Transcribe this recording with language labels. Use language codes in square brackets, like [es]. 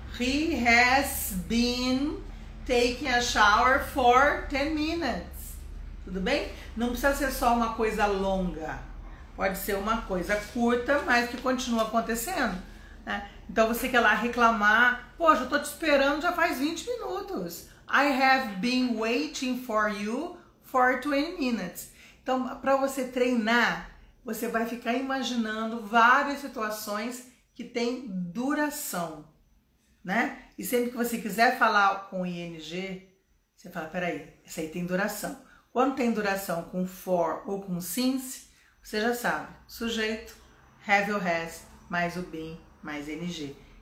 [en] He has been taking a shower for 10 minutes. [pt] Tudo bem? Não precisa ser só uma coisa longa. Pode ser uma coisa curta, mas que continua acontecendo, né? Então, você quer lá reclamar, poxa, eu tô te esperando já faz 20 minutos. [en] I have been waiting for you for 20 minutes. [pt] Então, para você treinar, você vai ficar imaginando várias situações que têm duração, né? E sempre que você quiser falar com ing, você fala, peraí, essa aí tem duração. Quando tem duração com for ou com since, você já sabe, sujeito, have or has, mais o been, mais ing.